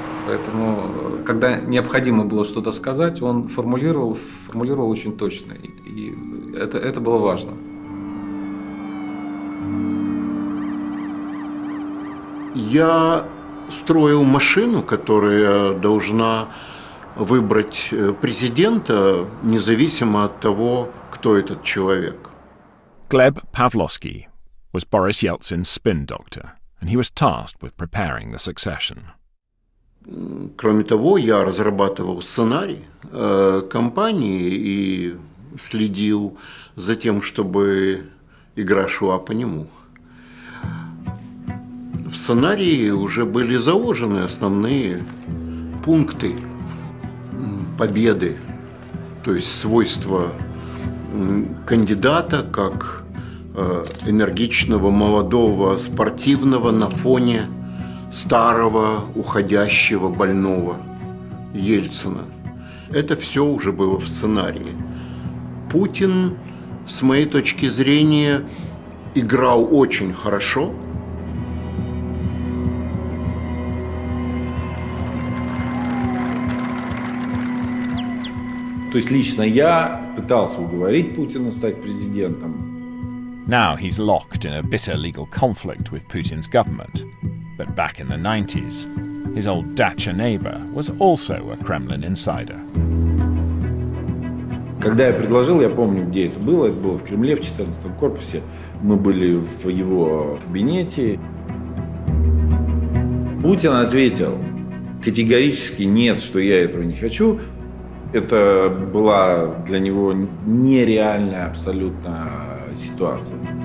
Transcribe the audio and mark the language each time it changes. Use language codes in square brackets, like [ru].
[ru] Поэтому, когда необходимо было что-то сказать, он формулировал очень точно, и это было важно. Я строил машину, которая должна выбрать президента, независимо от того, кто этот человек. [en] Gleb Pavlovsky was Boris Yeltsin's spin doctor, and he was tasked with preparing the succession. [ru] Кроме того, я разрабатывал сценарий кампании и следил за тем, чтобы игра шла по нему. В сценарии уже были заложены основные пункты победы, то есть свойства кандидата как энергичного, молодого, спортивного на фоне старого, уходящего, больного Ельцина. Это все уже было в сценарии. Путин, с моей точки зрения, играл очень хорошо. То есть лично я пытался уговорить Путина стать президентом. [en] Now he's locked in a bitter legal conflict with Putin's government. But back in the 90s, his old dacha neighbor was also a Kremlin insider. [ru] Когда я предложил, я помню, где это было в Кремле, в 14-м корпусе. Мы были в его кабинете. Путин ответил категорически нет, что я этого не хочу. Это была для него нереальная абсолютно ситуация.